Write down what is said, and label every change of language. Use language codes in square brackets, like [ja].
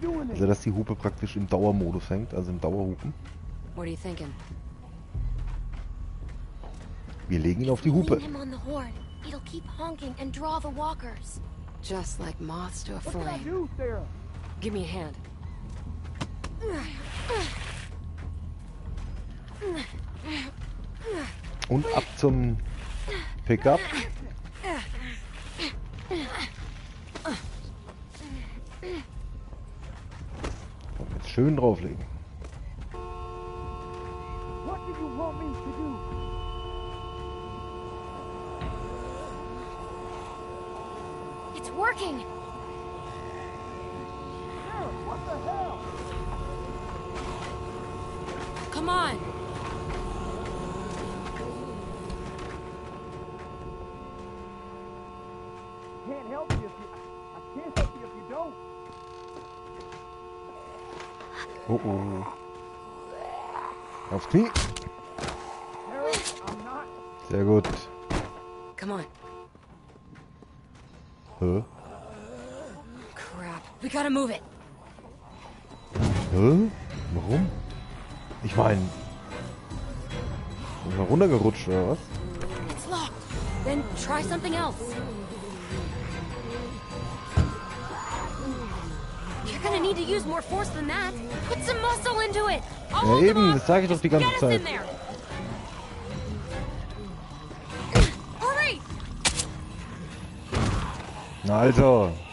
[de] Also, dass die Hupe praktisch im Dauermodus hängt, also im Dauerhupen. [en] What are you thinking? [de] Wir legen ihn auf die Hupe. [en] It'll keep honking and draw the walkers. Just like moths to a flame. What can I do, Sarah? Give me a hand. [de] Und ab zum Pickup. Und jetzt schön drauflegen. [en] What did you want me to do? Working. Sarah, what the hell? Come on. Can't help you if you I can't help you if you don't. [de] Uh-oh. Auf Knie. [en] Sarah, I'm not. [de] Sehr gut. [en] Come on. Huh? We gotta move it. [de] Hä? Warum? Ich meine, sind wir runtergerutscht oder was? [en] It's locked. Then try something else. You're gonna need to use more force than that. Put some muscle into it. [de] I'll ja eben, das sage ich doch die ganze Zeit. [en] Hurry! [de] Na also.